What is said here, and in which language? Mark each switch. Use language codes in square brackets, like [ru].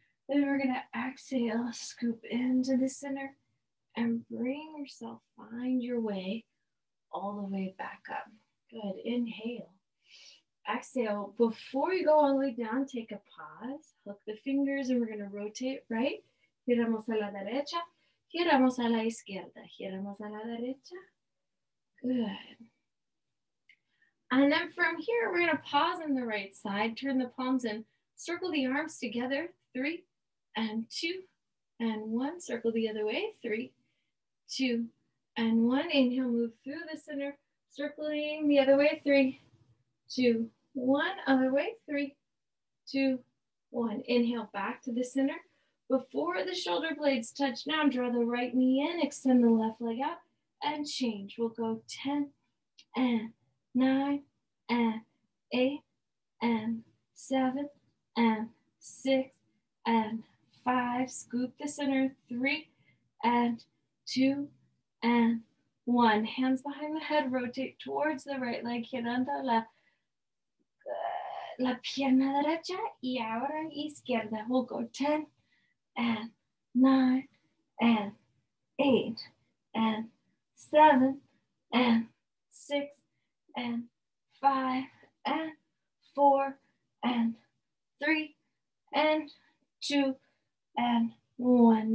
[en] Then we're gonna exhale, scoop into the center and bring yourself, find your way all the way back up. Good, inhale. Exhale, before you go all the way down, take a pause. Hook the fingers and we're gonna rotate right. [es] Giramos a la derecha, giramos a la izquierda, giramos a la derecha. [en] Good. And then from here, we're gonna pause on the right side, turn the palms in, circle the arms together, three and two and one, circle the other way, three, two and one. Inhale, move through the center, circling the other way, three, two, one, other way, three, two, one. Inhale, back to the center. Before the shoulder blades touch now, draw the right knee in, extend the left leg out, and change. We'll go 10 and 9 and 8 and 7 and 6 and 5. Scoop the center, 3 and 2 and 1. Hands behind the head, rotate towards the right leg. [es] Girando la pierna derecha y ahora izquierda. [en] We'll go 10. And 9, and 8, and 7, and 6, and 5, and 4, and 3, and 2, and 1.